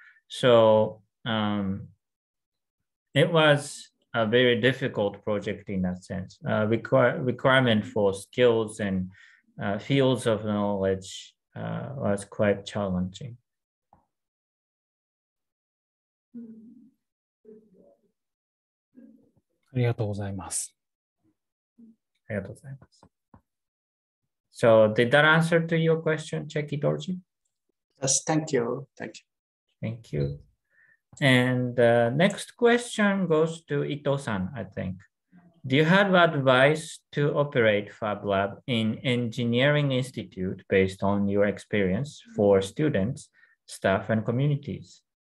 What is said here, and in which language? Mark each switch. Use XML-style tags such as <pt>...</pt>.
<en>So it was a very difficult project in that sense. Requirement for skills and fields of knowledge was quite challenging.</en> <ja>ありがとうございます。ありがとうございます。</ja> <en>So, did that answer to your question, Cheki Dorji? Yes, thank you. Thank you. Thank you. And the next question goes to Ito-san, I think. Do you have advice to operate FabLab in engineering institute based on your experience for students, staff, and communities?</en>